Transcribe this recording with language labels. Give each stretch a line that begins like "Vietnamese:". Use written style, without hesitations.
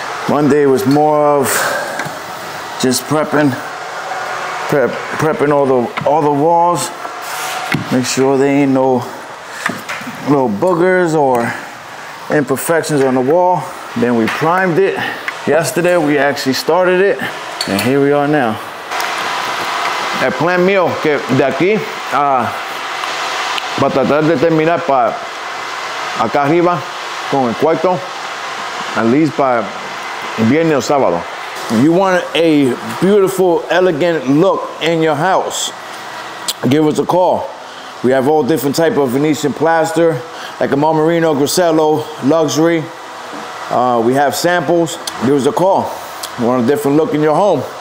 English: Monday was more of just prepping all the walls. Make sure there ain't no little boogers or imperfections on the wall. Then we primed it. Yesterday we actually started it, and here we are now.
Spanish: El plan mío que de aquí para tratar de terminar para acá arriba con el cuarto,
English: at least by
Spanish: viernes o sábado.
English: You want a beautiful, elegant look in your house? Give us a call. We have all different type of Venetian plaster, like a Marmorino, Grisello, luxury. We have samples. Give us a call. You want a different look in your home?